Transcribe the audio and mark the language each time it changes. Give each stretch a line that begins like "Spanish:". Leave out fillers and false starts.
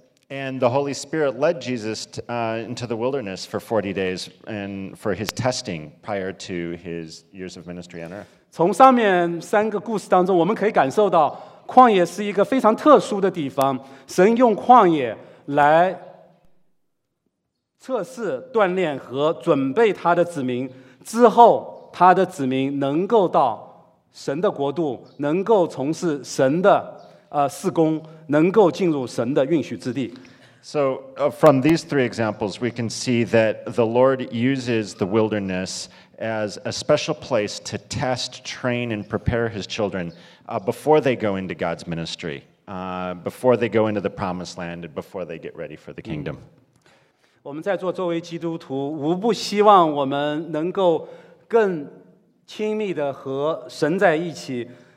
English: And the Holy Spirit led Jesus into the wilderness for 40 days and for his testing prior to his years of ministry on earth.
Chinese: 从上面3个故事当中，我们可以感受到旷野是一个非常特殊的地方。神用旷野来测试、锻炼和准备他的子民，之后他的子民能够到神的国度，能够从事神的事工，能够进入神的应许之地。
English: So, from these three examples, we can see that the Lord uses the wilderness as a special place to test, train, and prepare His children before they go into God's ministry, before they go into the promised land, and before they get ready for the kingdom.
Chinese: 我们在座作为基督徒，无不希望我们能够更亲密地和神在一起。